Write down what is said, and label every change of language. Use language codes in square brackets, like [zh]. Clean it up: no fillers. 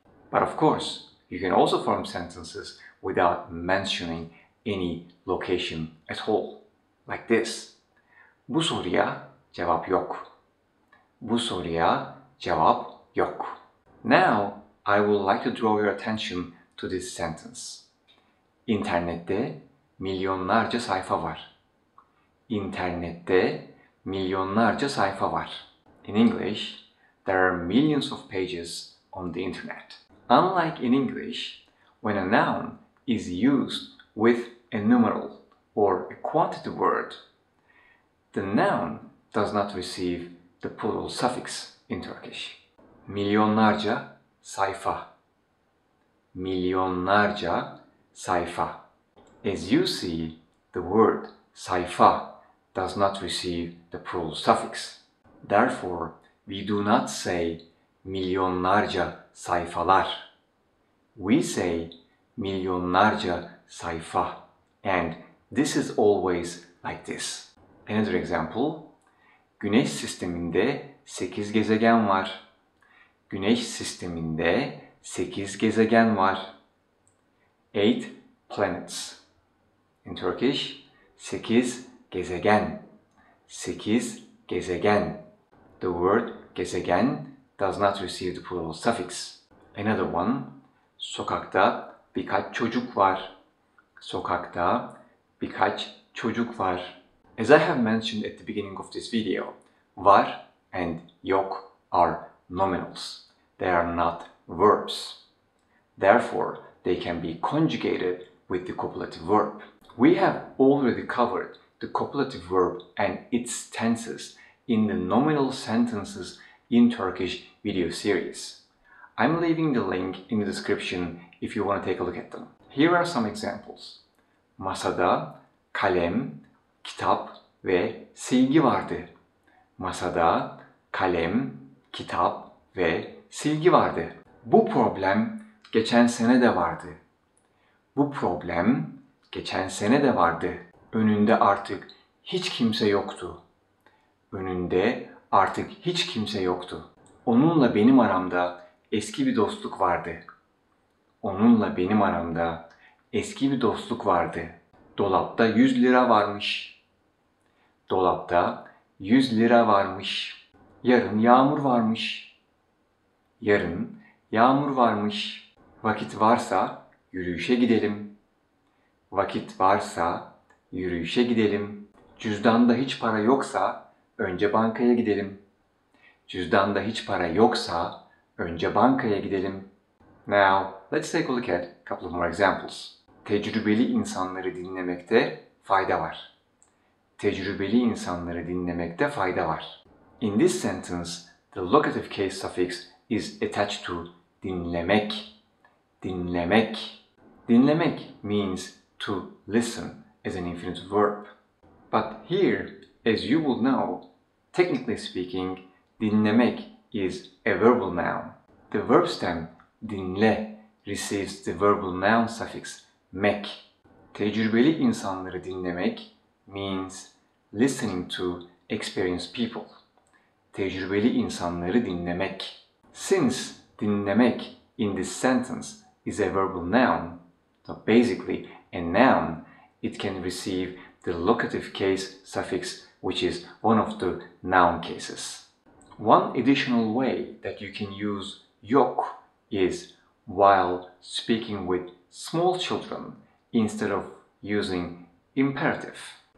[en] But of course, you can also form sentences without mentioning any location at all. Like this. [tr] Bu soruya cevap yok. Bu soruya cevap yok. [en] Now, I would like to draw your attention to this sentence. [tr] İnternette milyonlarca sayfa var. İnternette milyonlarca sayfa var. [en] In English, there are millions of pages on the internet. Unlike in English, when a noun is used with a numeral or a quantity word, the noun does not receive the plural suffix in Turkish. [tr] Milyonlarca sayfa. Milyonlarca sayfa. [en] As you see, the word sayfa does not receive the plural suffix. Therefore, we do not say [tr] milyonlarca sayfalar. [en] We say [tr] milyonlarca sayfa. [en] And this is always like this. Another example. [tr] Güneş sisteminde 8 gezegen var. Güneş sisteminde 8 gezegen var. [en] 8 planets. In Turkish, [tr] 8 gezegen. 8 gezegen. [en] The word gezegen does not receive the plural suffix. Another one, [tr] sokakta birkaç çocuk var. Sokakta birkaç çocuk var. [en] As I have mentioned at the beginning of this video, var and yok are nominals. They are not verbs. Therefore, they can be conjugated with the copulative verb. We have already covered the copulative verb and its tenses in the nominal sentences in Turkish video series. I'm leaving the link in the description if you want to take a look at them. Here are some examples. [tr] Masada kalem, kitap ve silgi vardı. Masada kalem, kitap ve silgi vardı. Bu problem geçen sene de vardı. Bu problem geçen sene de vardı. Önünde artık hiç kimse yoktu. Önünde artık hiç kimse yoktu. Onunla benim aramda eski bir dostluk vardı. Onunla benim aramda eski bir dostluk vardı. Dolapta 100 lira varmış. Dolapta 100 lira varmış. Yarın yağmur varmış. Yarın yağmur varmış. Vakit varsa yürüyüşe gidelim. Vakit varsa yürüyüşe gidelim. Cüzdanda hiç para yoksa önce bankaya gidelim. Cüzdanda hiç para yoksa önce bankaya gidelim. [en] Now, let's take a look at a couple of more examples. [tr] Tecrübeli insanları dinlemekte fayda var. Tecrübeli insanları dinlemekte fayda var. [en] In this sentence, the locative case suffix is attached to dinlemek. Dinlemek. Dinlemek means to listen as an infinitive verb. But here, as you will know, technically speaking, dinlemek is a verbal noun. The verb stem dinle receives the verbal noun suffix mek. [tr] Tecrübeli insanları dinlemek [en] means listening to experienced people. [tr] Tecrübeli insanları dinlemek. [en] Since dinlemek in this sentence is a verbal noun, so basically a noun, it can receive the locative case suffix, which is one of the noun cases. One additional way that you can use yok is while speaking with small children instead of using imperative.